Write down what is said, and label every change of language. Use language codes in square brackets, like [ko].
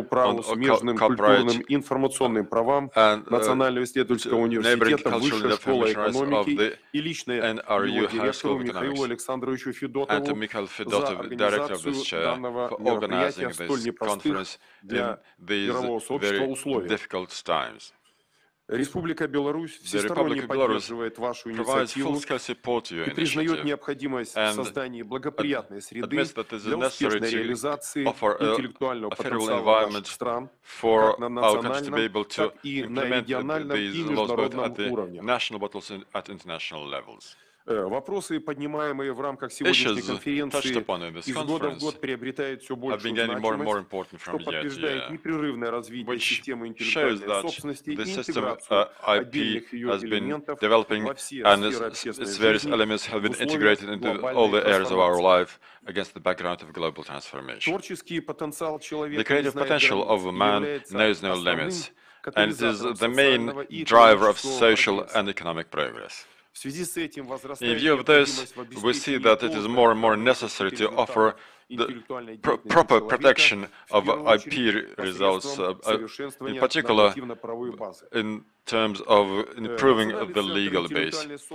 [en] on corporate and neighboring cultural and information of the NRU High School of Economics, and to Mikhail Fedotov, director of this chair, for organizing this conference in these very difficult times. [ru] Республика Беларусь всесторонне поддерживает вашу инициативу и признает необходимость создания благоприятной среды для успешной реализации интеллектуального потенциала наших стран как на национальном, так и на региональном и международном уровнях. Вопросы, поднимаемые в рамках сегодняшней конференции, из года в год приобретают все больше значимость, что подтверждает непрерывное развитие системы интеллектуальной собственности и интеграцию отдельных ее элементов во все сферы общественной жизни в условиях глобального развития. [en] Against the background of global transformation, the creative potential of man knows no limits, and is the main driver of social and economic progress. In view of this, we see that it is more and more necessary to offer the proper protection of IP results, in particular in terms of improving the legal base.